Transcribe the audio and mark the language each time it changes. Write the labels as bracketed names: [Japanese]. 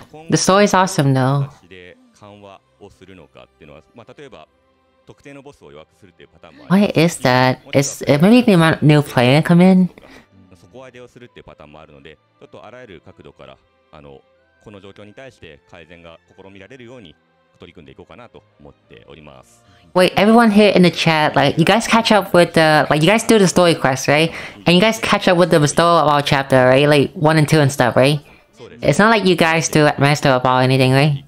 [English] The story is awesome though. What is that? Is it maybe the new player come in? [Japanese] 底上げをするっていうパターンもあるので、ちょっとあらゆる角度からこの状況に対して改善が試みられるように取り組んでいこうかなと思っております。 [English] Wait, everyone here in the chat, like, you guys catch up with the, like, you guys do the story quest, right? And you guys catch up with the story of our chapter, right? Like, 1 and 2 and stuff, right? It's not like you guys do master about anything, right?